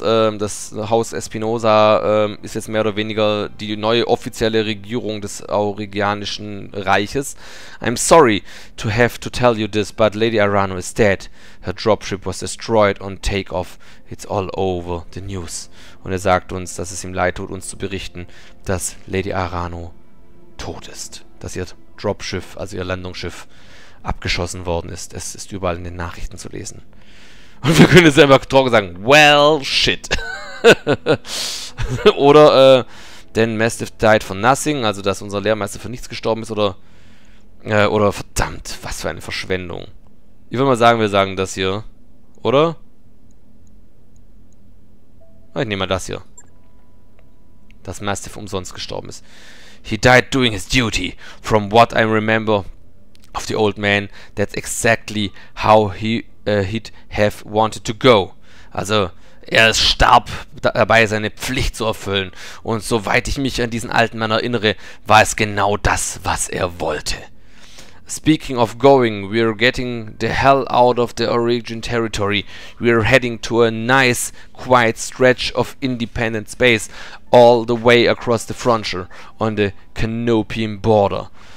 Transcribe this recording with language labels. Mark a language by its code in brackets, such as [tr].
[de] Das Haus Espinosa ist jetzt mehr oder weniger die neue offizielle Regierung des Oregonischen Reiches. [en] I'm sorry to have to tell you this, but Lady Arano is dead. Her dropship was destroyed on takeoff. It's all over the news. [de] Und er sagt uns, dass es ihm leid tut, uns zu berichten, dass Lady Arano tot ist. Dass ihr Dropschiff, also ihr Landungsschiff, abgeschossen worden ist. Es ist überall in den Nachrichten zu lesen. Und wir können jetzt einfach trocken sagen, [en] well, shit. [de] Oder, denn [en] Mastiff died for nothing, [de] also dass unser Lehrmeister für nichts gestorben ist, oder verdammt, was für eine Verschwendung. Ich würde mal sagen, wir sagen das hier, oder? Ich nehme mal das hier. Dass Mastiff umsonst gestorben ist. [en] He died doing his duty, from what I remember of the old man, that's exactly how he'd have wanted to go. [de] Also, er starb dabei, seine Pflicht zu erfüllen. Und soweit ich mich an diesen alten Mann erinnere, war es genau das, was er wollte. [en] Speaking of going, we're getting the hell out of the origin territory. We're heading to a nice, quiet stretch of independent space all the way across the frontier on the Canopian border.